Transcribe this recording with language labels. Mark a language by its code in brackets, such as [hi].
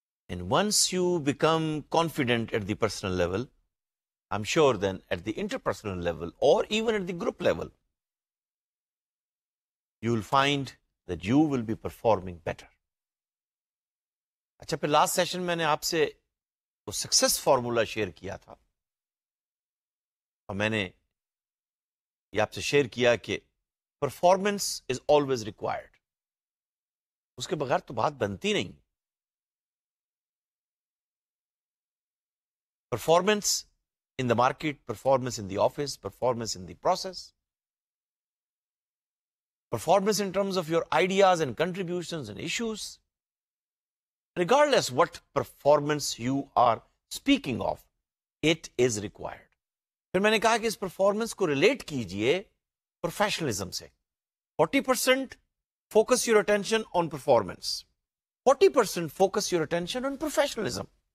[en] And once you become confident at the personal level, I'm sure then at the interpersonal level or even at the group level, you'll find that you will be performing better. [ur] اچھا پھر last session میں نے آپ سے وہ success formula share کیا تھا اور میں نے یہ آپ سے شیئر کیا کہ [en] performance is always required [ur] اس کے بغیر تو بات بنتی نہیں [en] Performance in the market performance in the office performance in the process performance in terms of your ideas and contributions and issues Regardless what performance you are speaking of, it is required. Then I said that this performance relate to professionalism. 40% focus your attention on performance. 40% focus your attention on professionalism.